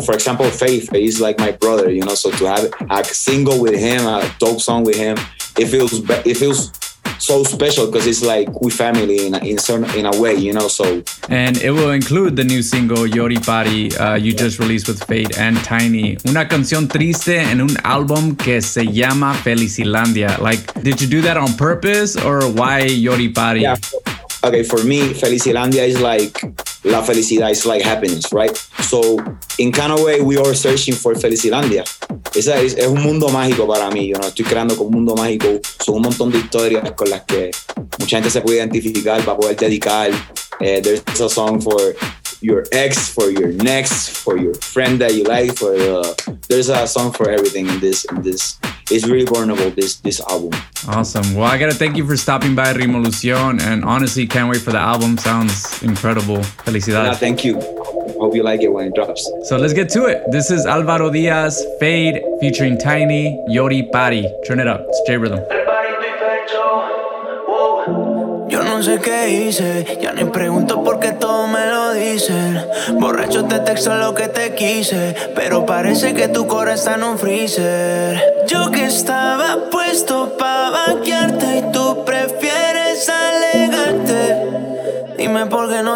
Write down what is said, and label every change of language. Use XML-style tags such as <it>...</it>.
<en>For example, Faith is like my brother, you know, so to have a single with him, a dope song with him, it feels so special, because it's like we family in a way, you know. So, and it will include the new single Yori Party just released with Fate and Tiny.</en> <es>Una canción triste en un álbum que se llama Felicilandia.</es> <en>Like, did you do that on purpose, or why Yori Party? Yeah. Okay, for me, Felicilandia is like</en> <es>la felicidad,</es> <en>is like happiness, right? So in kind of way, we are searching for Felicilandia.</en> <es>Es un mundo mágico para mí,</es> <en>you know?</en> <es>Estoy creando como un mundo mágico. Son un montón de historias con las que mucha gente se puede identificar, para poder dedicar.</es> <en>There's a song for your ex, for your next, for your friend that you like. There's a song for everything in this. It's really vulnerable, this album. Awesome. Well, I gotta thank you for stopping by Rimolucion, and honestly, can't wait for the album. Sounds incredible. Felicidades. Yeah, thank you. Hope you like it when it drops. So let's get to it. This is Álvaro Díaz, Fade, featuring Tiny, Yori Party. Turn it up. It's J Rhythm.</en> <es>Yo no sé qué hice, ya ni pregunto por qué todo me lo dicen. Borracho te texto lo que te quise, pero parece que tu core está en un freezer. Yo que estaba puesto pa' banquearte y tú prefieres alegarte. Dime por qué no</es>